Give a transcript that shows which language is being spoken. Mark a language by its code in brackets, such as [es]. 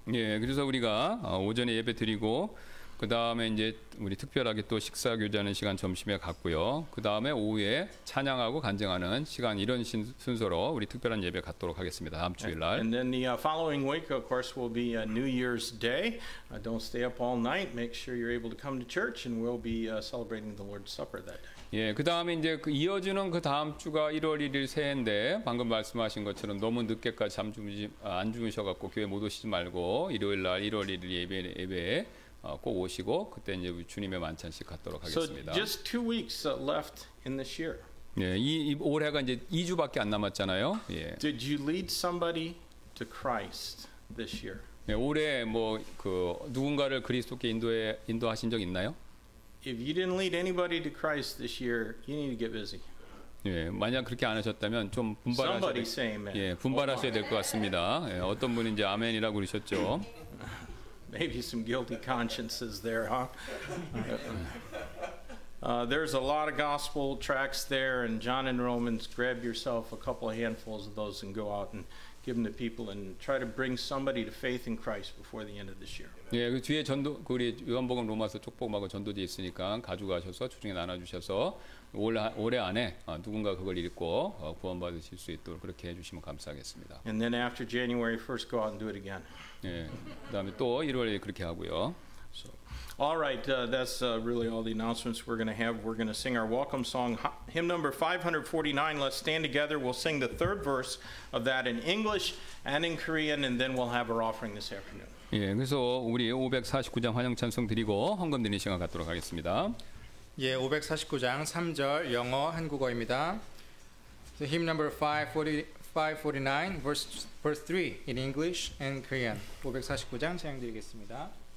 [ko] 예, 그래서 우리가 오전에 예배 드리고 그 다음에 이제 우리 특별하게 또 식사 교제하는 시간 점심에 갔고요. 그 다음에 오후에 찬양하고 간증하는 시간 이런 순서로 우리 특별한 예배 갖도록 하겠습니다. 다음 주일날. [en] And then the following week, of course, will be New Year's Day. Don't stay up all night. Make sure you're able to come to church, and we'll be celebrating the Lord's Supper that day. [ko] 예, 그 다음에 이제 그 이어지는 그 다음 주가 1월 1일 새해인데 방금 말씀하신 것처럼 너무 늦게까지 잠 주무지 안 주무셔갖고 교회 못 오시지 말고 일요일 날 1월 1일 예배 꼭 오시고 그때 이제 주님의 만찬식 갖도록 하겠습니다. [en] So just two weeks left in this year. [ko] 예, 이 올해가 이제 2주밖에 안 남았잖아요. 예. [en] Did you lead somebody to Christ this year? [ko] 예, 올해 뭐 그 누군가를 그리스도께 인도하신 적 있나요? [en] If you didn't lead anybody to Christ this year, you need to get busy. [ko] 예, 만약 그렇게 안 하셨다면 좀 분발하셔야 될 것 같습니다. 예, 어떤 분이 이제 아멘이라고 그러셨죠. [en] Maybe some guilty consciences there, huh? There's a lot of gospel tracts there, and John and Romans, grab yourself a couple of handfuls of those and go out and give them to people and try to bring somebody to faith in Christ before the end of this year. [ko] 예, 그 뒤에 전도, 그 우리 요한복음 로마서 쪽복음하고 전도지 있으니까 가져가셔서 주중에 나눠주셔서 올해 안에 누군가 그걸 읽고 구원받으실 수 있도록 그렇게 해주시면 감사하겠습니다. [en] And then after January 1st, go out and do it again. [ko] 예, 그다음에 또 1월에 그렇게 하고요. [en] So, all right, that's really all the announcements we're going to have. We're going to sing our welcome song, hymn number 549. Let's stand together. We'll sing the third verse of that in English and in Korean, and then we'll have our offering this afternoon. [ko] 예, 그래서 우리 549장 환영 찬송 드리고 헌금 드리는 시간 갖도록 하겠습니다. 예, 549장 3절 영어 한국어입니다. [en] So, hymn number 549 verse 3 in English and Korean. [ko] 549장 찬양 드리겠습니다.